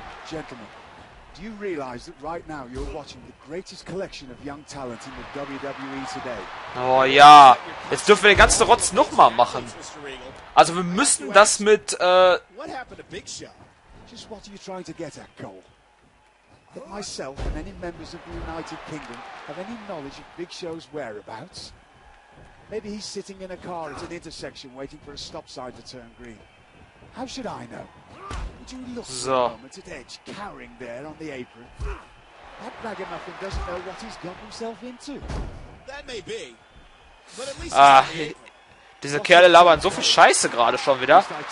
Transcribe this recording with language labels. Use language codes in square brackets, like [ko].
[en] Gentlemen, do you realize that right now you're watching the greatest collection of young talent in the WWE today? [de] Oh ja. Jetzt dürfen wir den ganzen Rotz nochmal machen. Also wir müssen das mit [en] What happened to Big Show? Just what are you trying to get at, Cole? That myself and any members of the United Kingdom have any knowledge of Big Show's whereabouts? Maybe he's sitting in a car at an intersection waiting for a stop sign to turn green. How should I know? Would you look so at the moment at Edge cowering there on the apron? That ragamuffin doesn't know what he's got himself into. That may be. But at least [de] Diese Kerle labern so viel Scheiße gerade schon wieder.